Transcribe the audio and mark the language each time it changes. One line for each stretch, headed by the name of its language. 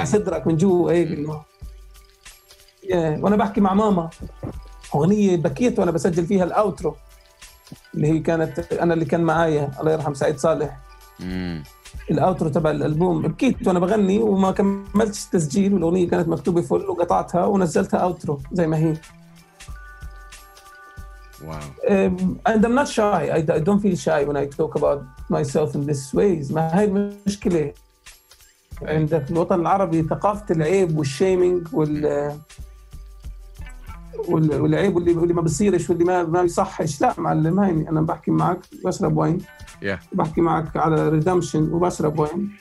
Arabic: على صدرك من جوه هيك وأنا بحكي مع ماما أغنية بكيت وأنا بسجل فيها الأوترو اللي هي كانت أنا اللي كان معايا الله يرحم سعيد صالح الأوترو تبع الألبوم بكيت وأنا بغني وما كملت التسجيل والأغنية كانت مكتوبة فل وقطعتها ونزلتها أوترو زي ما هي.
English: And I'm not shy. I don't feel shy when I talk about myself in this ways.
Arabic: ما هي المشكلة عندك الوطن العربي ثقافة العيب والشيمينج والعيب واللي ما بصيرش واللي ما بيصحش. لا معلم هيني أنا بحكي معك بشرب وين.
English: Yeah.
Arabic: بحكي معك على ريدمشن وبشرب وين.